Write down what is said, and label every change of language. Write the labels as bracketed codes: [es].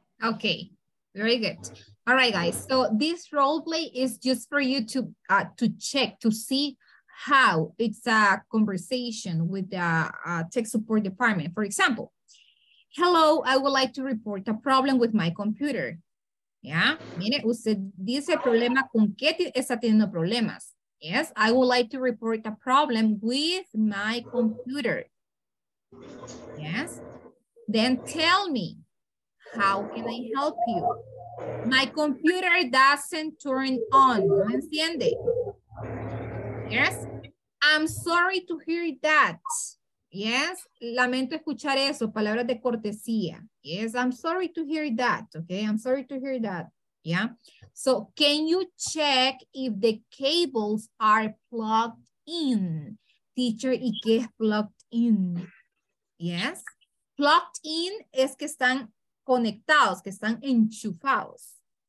[en] Okay, very good. All right, guys. So this role play is just for you to check, to see how it's a conversation with the tech support department. For example, hello, I would like to report a problem with my computer. [es] Yeah, mire, usted dice problema, ¿con qué está teniendo problemas? [en] Yes, I would like to report a problem with my computer. Yes, then tell me, how can I help you? My computer doesn't turn on. [es] ¿No entiende? [en] Yes, I'm sorry to hear that. Yes, [es] lamento escuchar eso, palabras de cortesía. [en] Yes, I'm sorry to hear that, okay? I'm sorry to hear that, yeah? So can you check if the cables are plugged in? [es] Teacher, ¿y qué es plugged in? Yes, plugged in es que están conectados, que están enchufados.